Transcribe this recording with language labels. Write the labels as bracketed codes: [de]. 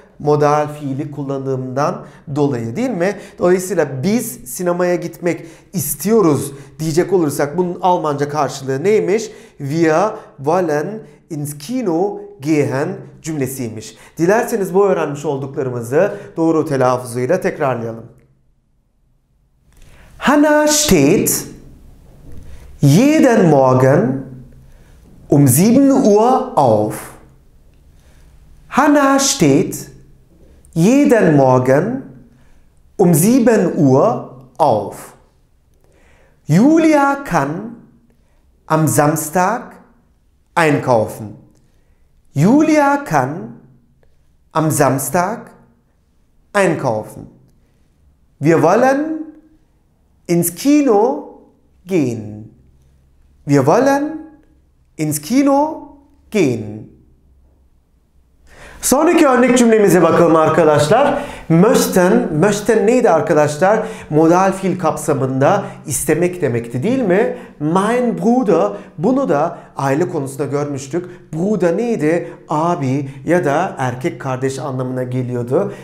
[tr] Modal fiili kullandığımdan dolayı değil mi? Dolayısıyla biz sinemaya gitmek istiyoruz diyecek olursak bunun Almanca karşılığı neymiş? [de] Wir wollen ins Kino gehen [tr] cümlesiymiş. Dilerseniz bu öğrenmiş olduklarımızı doğru telaffuzuyla tekrarlayalım. [de] Hanna steht jeden Morgen um 7 Uhr auf. Hanna steht jeden Morgen um 7 Uhr auf. Julia kann am Samstag einkaufen. Julia kann am Samstag einkaufen. Wir wollen ins Kino gehen. Wir wollen ins Kino gehen. [tr] Sonraki örnek cümlemize bakalım arkadaşlar. Möchten, möchten neydi arkadaşlar? Modal fiil kapsamında istemek demekti değil mi? [de] Mein Bruder, [tr] bunu da aile konusunda görmüştük. Bruder neydi? Abi ya da erkek kardeş anlamına geliyordu.